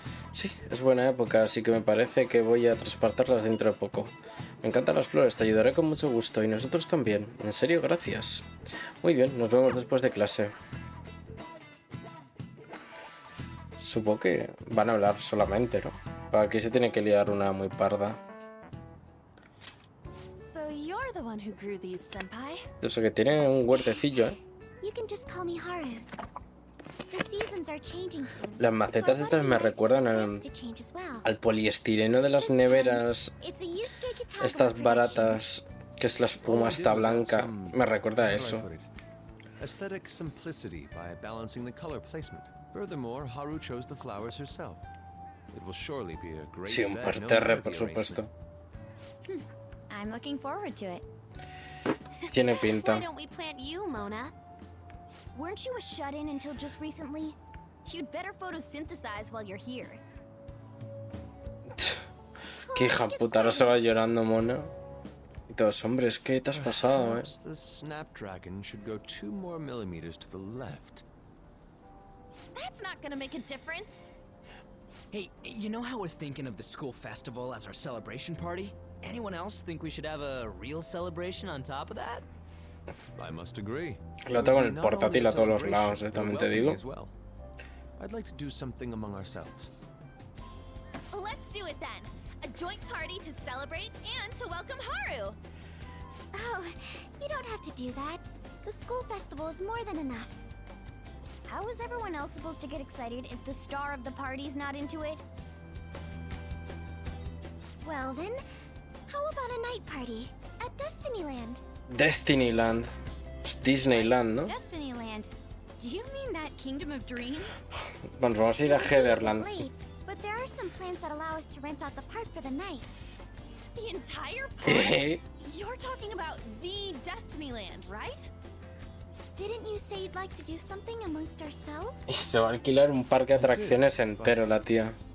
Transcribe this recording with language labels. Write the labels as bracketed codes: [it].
[es] Sí, es buena época, así que me parece que voy a transportarlas dentro de poco. Me encantan las flores, te ayudaré con mucho gusto. Y nosotros también. En serio, gracias. Muy bien, nos vemos después de clase. supongo que van a hablar solamente, ¿no? ¿Para qué se tiene que liar una muy parda? [en] So you're the one who grew these, senpai. [es] O sea, que tiene un huertecillo, ¿eh? [en] You can just call me Haru. The seasons are changing soon. [es] Las macetas estas me recuerdan al poliestireno de las neveras. Estas baratas, que es la espuma esta blanca, me recuerda a eso. [en] Aesthetic simplicity by balancing the color placement. Furthermore, Haru chose the flowers herself. It will surely be a great. [es] Sí, un parterre, por supuesto. [en] I'm looking forward to it. [es] Tiene pinta. [en] Why don't we plant you, Mona? Weren't you a shut-in until just recently? You'd better photosynthesize while you're here. [es] Qué hija puta, ahora se va llorando, Mona. Y todos, hombres, ¿qué te has pasado, eh? [en] The snapdragon should go 2 more millimeters to the left. That's not gonna make a difference. Hey, you know how we're thinking of the school festival as our celebration party? Anyone else think we should have a real celebration on top of that? I must agree. [es] Lo tengo en el portátil a todos los lados, también te digo. [en] I'd like to do something among ourselves. Let's do it then. A joint party to celebrate and to welcome Haru. Oh, you don't have to do that. The school festival is more than enough. How is everyone else supposed to get excited if the star of the party's not into it? Well then, how about a night party at Destinyland? [es] Destinyland. Pues Disneyland, ¿no? [en] Destinyland. Do you mean that Kingdom of Dreams? [es] Bueno, vamos a ir a Heatherland. [en] But there are some plans that allow us to rent out the park for the night. The entire park? You're talking about the Destinyland, right? Didn't you say you'd like to do something amongst ourselves? [es] Eso, alquilar un parque de atracciones entero, la tía.